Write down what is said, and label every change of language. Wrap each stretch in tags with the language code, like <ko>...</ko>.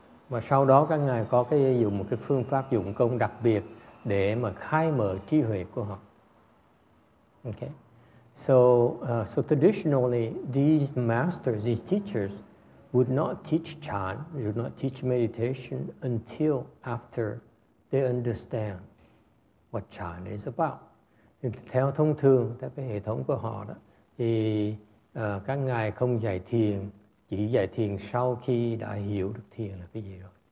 <vi>Và sau đó các ngài có cái dùng một cái phương pháp dụng công đặc biệt để mà khai mở trí huệ của họ.</vi> <en>Okay, so traditionally, these masters, these teachers, would not teach Chan, would not teach meditation until after they understand what Chan is about.</en> <vi>Theo thông thường, theo cái hệ thống của họ đó, thì các ngài không dạy thiền, chỉ dạy thiền sau khi đã hiểu được thiền là cái gì rồi.</vi>